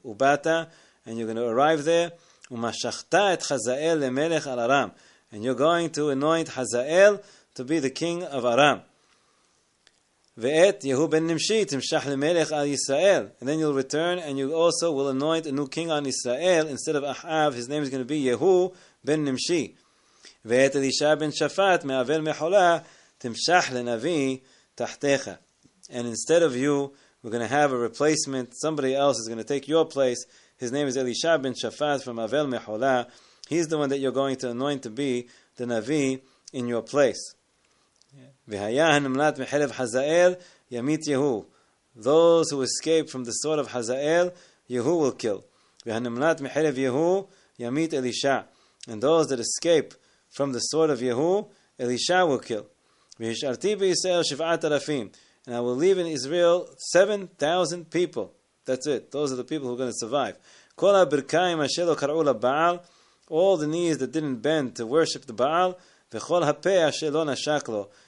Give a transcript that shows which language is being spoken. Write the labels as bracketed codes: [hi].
[en] Ubata, and you're going to arrive there, [he] umashachta et Hazael lemelech al Aram. [en] And you're going to anoint Hazael to be the king of Aram. [he] Ve'et Yehu ben Nimshi, timshach lemelech al Yisrael. [en] And then you'll return, and you also will anoint a new king on Israel instead of Ahav. His name is going to be Yehu ben Nimshi. [he] ואת אלישה בן שפט מעבל מחולה תמשח לנביא תחתיך. [en] And instead of you, we're going to have a replacement. Somebody else is going to take your place. His name is Elisha ben Shafat from Avel Mechola. He's the one that you're going to anoint to be the Navi in your place. [he] והיה הנמלט מחלב חזאל ימית יהו. [en] Those who escape from the sword of Hazael, Yehu will kill. [he] והנמלט מחלב יהו ימית אלישה. [en] And those that escape from the sword of Yehu, Elisha will kill. [he] V'hishalti b'Yisrael shiv'at alafim. [en] And I will leave in Israel 7,000 people. That's it. Those are the people who are going to survive. [he] Kol ha-birkayim asher lo kar'u la-ba'al. [en] All the knees that didn't bend to worship the Baal. [he] V'chol ha-peh asher lo nashak lo.